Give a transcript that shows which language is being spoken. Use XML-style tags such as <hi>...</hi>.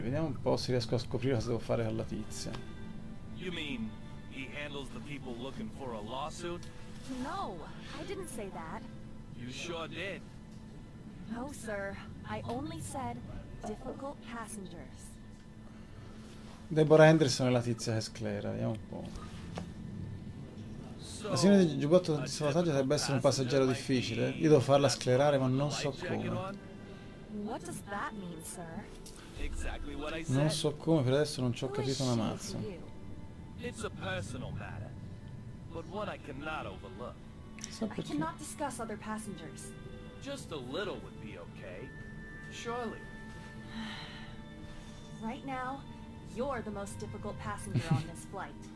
<it>Vediamo un po' se riesco a scoprire cosa devo fare con la tizia.</it> <en>You mean he handles the people looking for a lawsuit? No, I didn't say that. You sure did. No, sir. I only said difficult passengers.</en> <it>Deborah Henderson e la tizia è sclera. Vediamo un po'. La signora di giubbotto di salvataggio dovrebbe essere un passeggero difficile. Io devo farla sclerare, ma non so come.</it> <en>What does that mean, sir? Exactly what I said.</en> <it>Non so come, per adesso non ci ho capito una mazza.</it> <en>It's a personal matter, but one I cannot overlook. I cannot discuss other passengers. Just a little would be okay. Surely. Right now, you're the most difficult passenger on this flight.</en>